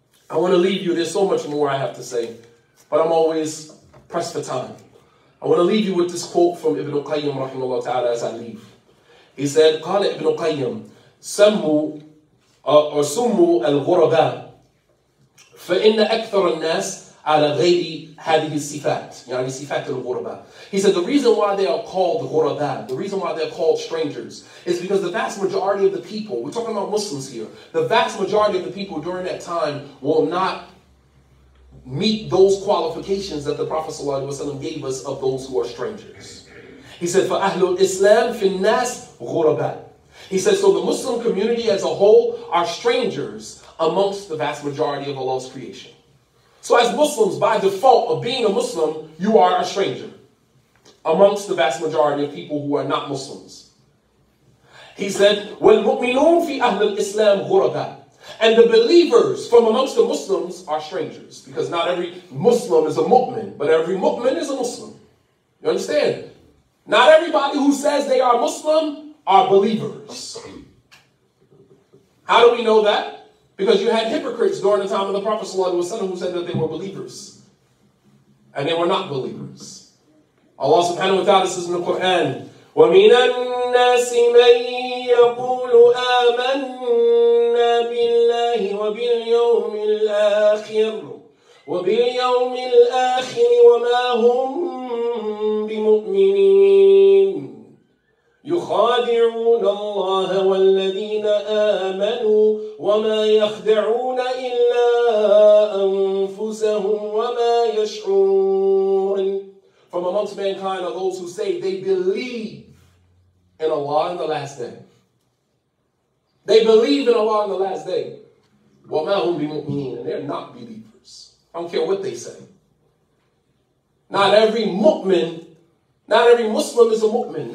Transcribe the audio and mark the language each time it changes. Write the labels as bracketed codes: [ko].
[en] I want to leave you. There's so much more I have to say, but I'm always pressed for time. I want to leave you with this quote from Ibn Qayyim rahimahullah ta'ala as I leave. He said, [ar] قال Ibn Qayyim, سموا أرسموا الغرباء فإن أكثر الناس على غير هذه الصفات يعني صفات الغرباء. [en] He said the reason why they are called غرباء, the reason why they are called strangers, is because the vast majority of the people, we're talking about Muslims here, the vast majority of the people during that time will not meet those qualifications that the Prophet ﷺ gave us of those who are strangers. He said, [ar] فَأَهْلُ الْإِسْلَامِ فِي النَّاسِ غُرَبًا. [en] He said, so the Muslim community as a whole are strangers amongst the vast majority of Allah's creation. So as Muslims, by default of being a Muslim, you are a stranger amongst the vast majority of people who are not Muslims. He said, [ar] وَالْمُؤْمِنُونَ فِي أَهْلُ الْإِسْلَامِ غُرَبًا. [en] And the believers from amongst the Muslims are strangers. Because not every Muslim is a mu'min, but every mu'min is a Muslim. You understand? Not everybody who says they are Muslim are believers. How do we know that? Because you had hypocrites during the time of the Prophet ﷺ who said that they were believers. And they were not believers. Allah subhanahu wa ta'ala says in the Quran, [ar] وَمِنَ النَّاسِ مَنْ يَقُولُ آمَنَّا بِاللَّهِ وَبِالْيَوْمِ الْآخِرِ وَبِالْيَوْمِ الْآخِرِ وَمَا هُمْ بِمُؤْمِنِينَ يُخَادِعُونَ اللَّهَ وَالَّذِينَ آمَنُوا وَمَا يَخْدَعُونَ إِلَّا أَنفُسَهُمْ وَمَا يَشْعُرُونَ. [en] From amongst mankind are those who say they believe in Allah in the last day. They believe in Allah in the last day. [ar] وَمَا هُمْ بِمُؤْمِنِينَ. [en] And they're not believers. I don't care what they say. Not every mu'min, not every Muslim is a mu'min.